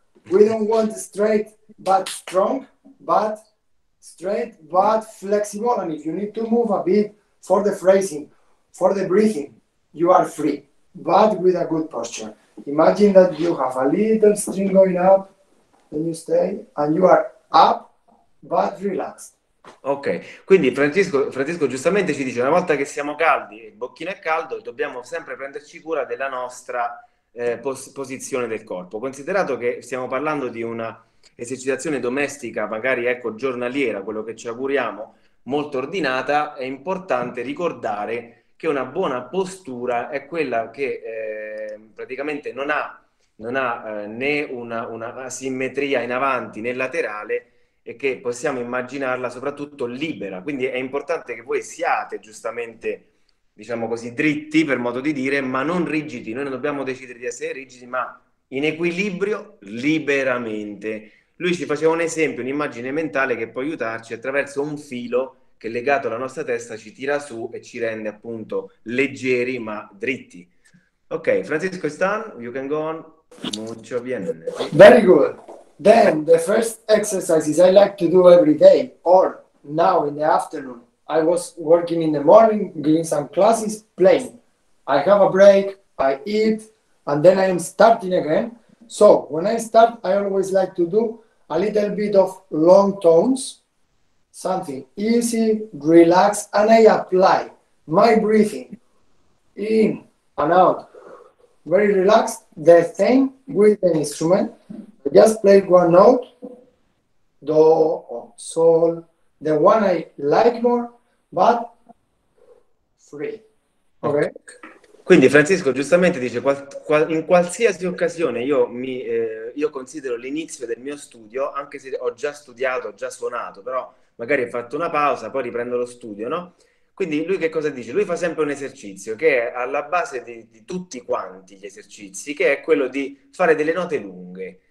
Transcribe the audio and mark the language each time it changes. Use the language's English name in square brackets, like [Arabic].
[English] We don't want straight but strong, but straight but flexible. And if you need to move a bit for the phrasing, for the breathing, you are free, but with a good posture. Imagine that you have a little string going up, then you stay, and you are up, but relaxed. [Italian] Ok, quindi Francesco giustamente ci dice, una volta che siamo caldi, il bocchino è caldo, dobbiamo sempre prenderci cura della nostra posizione del corpo. Considerato che stiamo parlando di una esercitazione domestica, magari ecco giornaliera, quello che ci auguriamo, molto ordinata, è importante ricordare che una buona postura è quella che praticamente non ha né una asimmetria in avanti né laterale, e che possiamo immaginarla soprattutto libera. Quindi è importante che voi siate giustamente, diciamo così, dritti, per modo di dire, ma non rigidi. Noi non dobbiamo decidere di essere rigidi, ma in equilibrio, liberamente. Lui ci faceva un esempio, un'immagine mentale che può aiutarci attraverso un filo che, legato alla nostra testa, ci tira su e ci rende appunto leggeri, ma dritti. [English] Ok, Francisco, Stan, you can go on. [Spanish] Mucho bien. [English] Very good. Then the first exercises I like to do every day, or now in the afternoon, I was working in the morning, giving some classes, playing. I have a break, I eat, and then I am starting again. So when I start, I always like to do a little bit of long tones, something easy, relaxed, and I apply my breathing in and out, very relaxed, the same with an instrument. I just play one note, do or sol, the one I like more, but free. Okay. [Italian] Quindi Francisco giustamente dice, in qualsiasi occasione io considero l'inizio del mio studio, anche se ho già studiato, ho già suonato, però magari ho fatto una pausa, poi riprendo lo studio, no? Quindi lui che cosa dice? Lui fa sempre un esercizio che è alla base di tutti quanti gli esercizi, che è quello di fare delle note lunghe.